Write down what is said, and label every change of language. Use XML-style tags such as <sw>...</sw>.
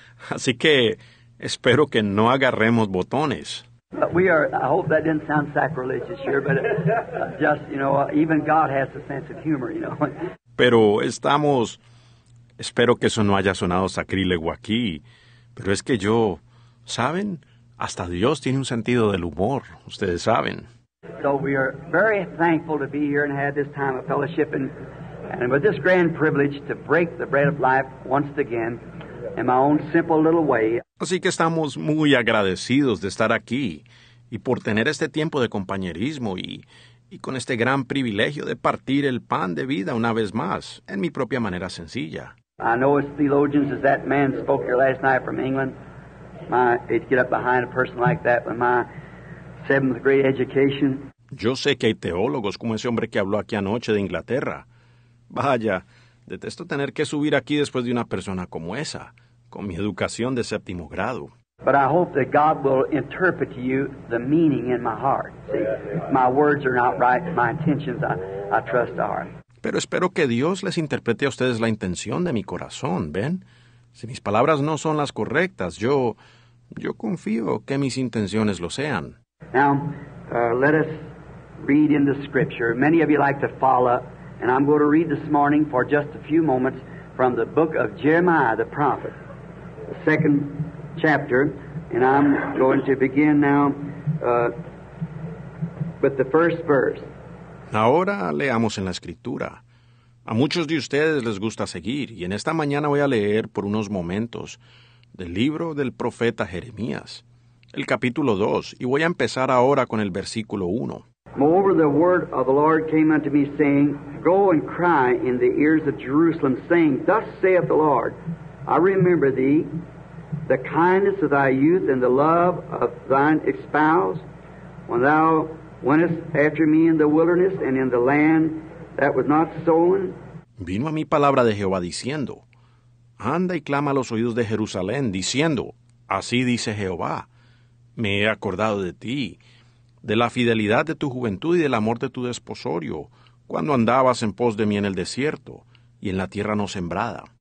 <es>Así que espero que no agarremos botones.</es> <en>But we are, I hope that didn't sound sacrilegious here, but just, you know, even God has a sense of humor, you know.</en> <es>Pero estamos, espero que eso no haya sonado sacrílego aquí. Pero es que yo, ¿saben? Hasta Dios tiene un sentido del humor, ustedes saben.</es> <en>So we are very thankful to be here and have this time of fellowship and with this grand privilege to break the bread of life once again in my own simple little way.</en> <es>Así que estamos muy agradecidos de estar aquí y por tener este tiempo de compañerismo y con este gran privilegio de partir el pan de vida una vez más en mi propia manera sencilla.</es> <en>I know as theologians as that man spoke here last night from England, my, he'd get up behind a person like that with my seventh grade education.</en> <es>Yo sé que hay teólogos como ese hombre que habló aquí anoche de Inglaterra. Vaya, detesto tener que subir aquí después de una persona como esa, con mi educación de séptimo grado.</es> <en>But I hope that God will interpret to you the meaning in my heart. See, my words are not right, my intentions I trust are.</en> <es>Pero espero que Dios les interprete a ustedes la intención de mi corazón, ¿ven? Si mis palabras no son las correctas, yo confío que mis intenciones lo sean.</es> <en>Now, let us read in the scripture. Many of you like to follow, and I'm going to read this morning for just a few moments from the book of Jeremiah the prophet, the second chapter, and I'm going to begin now with the first verse.</en> <es>Ahora leamos en la Escritura. A muchos de ustedes les gusta seguir, y en esta mañana voy a leer por unos momentos del libro del profeta Jeremías, el capítulo 2, y voy a empezar ahora con el versículo 1.</es> <en>Moreover, the word of the Lord came unto me, saying, go and cry in the ears of Jerusalem, saying, thus saith the Lord, I remember thee, the kindness of thy youth and the love of thine espouse, when thou wentest after me in the wilderness and in the land that was not sown.</en> <es>Vino a mí palabra de Jehová diciendo, anda y clama a los oídos de Jerusalén, diciendo, así dice Jehová, me he acordado de ti, de la fidelidad de tu juventud y del amor de tu desposorio, cuando andabas en pos de mí en el desierto y en la tierra no sembrada.</es>